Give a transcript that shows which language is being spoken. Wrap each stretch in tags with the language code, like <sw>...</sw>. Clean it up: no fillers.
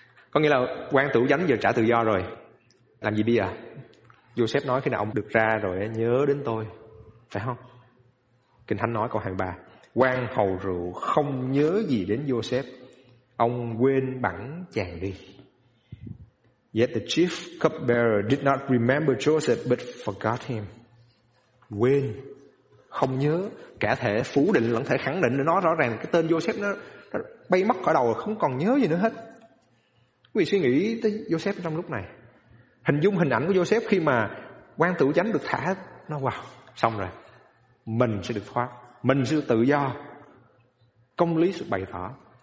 <vi>Có nghĩa là quan tử dánh giờ trả tự do rồi, làm gì bây giờ? Joseph nói khi nào ông được ra rồi nhớ đến tôi, phải không? Kinh Thánh nói câu 23, quan hầu rượu không nhớ gì đến Joseph, ông quên bẵng chàng đi.</vi> <en>Yet the chief cupbearer did not remember Joseph but forgot him.</en> <vi>Quên, không nhớ, cả thể phủ định lẫn thể khẳng định, nó rõ ràng cái tên Joseph nó bay mất khỏi đầu, không còn nhớ gì nữa hết. Quý vị suy nghĩ tới Joseph trong lúc này, hình dung hình ảnh của Joseph khi mà quan tử chánh được thả, nó wow, xong rồi, mình sẽ được thoát, mình sẽ được tự do, công lý sẽ bày tỏ.</vi>